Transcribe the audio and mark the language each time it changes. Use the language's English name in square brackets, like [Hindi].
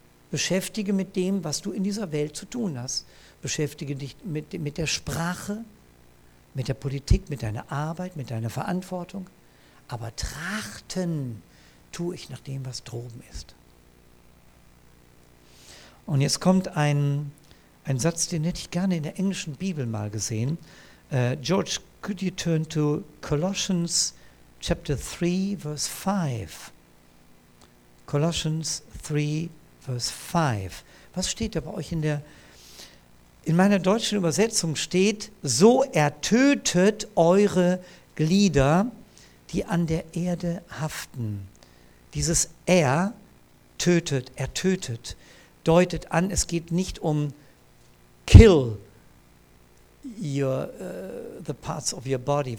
[German] Beschäftige mit dem, was du in dieser Welt zu tun hast. Beschäftige dich mit der Sprache, mit der Politik, mit deiner Arbeit, mit deiner Verantwortung. Aber trachten tue ich nach dem, was droben ist. Und jetzt kommt ein Satz, den hätte ich gerne in der englischen Bibel mal gesehen. [English] George, could you turn to Colossians chapter 3, verse 5? Colossians 3, verse 5. [German] Was steht da bei euch in der, in meiner deutschen Übersetzung steht, so ertötet eure Glieder, die an der Erde haften. Dieses er tötet, ertötet, deutet an, es geht nicht um [English] kill your, the parts of your body.